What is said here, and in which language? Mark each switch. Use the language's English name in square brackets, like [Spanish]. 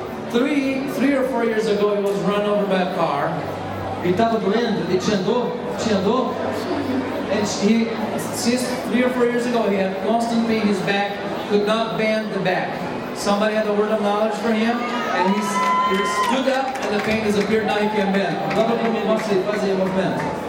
[English] 3 or 4 years ago, he was run over by a car. [Portuguese] Ele estava doendo, ele tinha dor. [English] And he, since 3 or 4 years ago, he had constant pain in his back, could not bend the back. Somebody had a word of knowledge for him, and he stood up, and the pain disappeared, now he can bend. [Portuguese] Agora eu vou mostrar ele, fazer o movimento.